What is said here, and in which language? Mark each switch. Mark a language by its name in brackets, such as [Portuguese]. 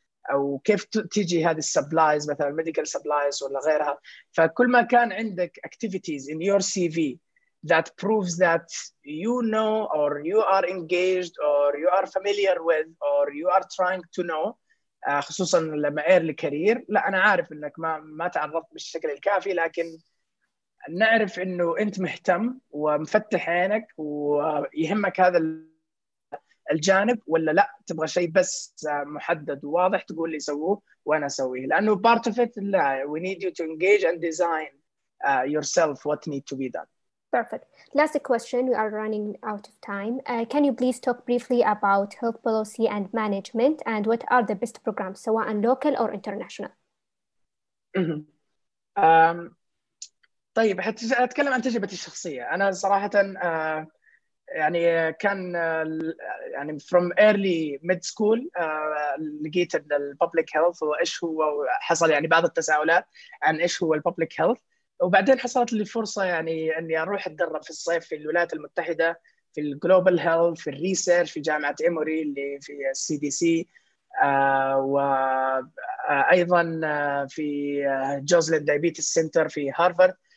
[Arabic] او كيف تيجي هذه السبلايز مثلا ميديكال سبلايز ولا غيرها فكل ما كان عندك [English] activities in your CV that proves that you know or you are engaged or you are familiar with or you are trying to know [Arabic] خصوصا لما [English] early career [Arabic] لا انا عارف انك ما تعرضت بالشكل الكافي لكن نعرف انه انت مهتم ومفتح عينك ويهمك هذا الجانب ولا لا تبغى شيء بس محدد وواضح تقول لي سووه وانا اسويه لانه [English] part of it [Arabic] لا [English] we need you to engage and design yourself what need to be done Perfect. Last question, we are running out of time. Can you please talk briefly about health policy and management and what are the best programs, so on local or international? [Arabic] طيب هتكلم عن تجربتي الشخصية. أنا صراحة يعني كان يعني [English] from early mid school [Arabic] لقيت أن ال public health وإيش هو, حصل يعني بعض التساؤلات عن إيش هو ال public health, وبعدين حصلت لي فرصة يعني أني أروح أتدرب في الصيف في الولايات المتحدة في ال global health في الريسيرش في جامعة إيموري اللي في السي دي سي, وأيضا في جوزلين دايبيتس سنتر في هارفارد.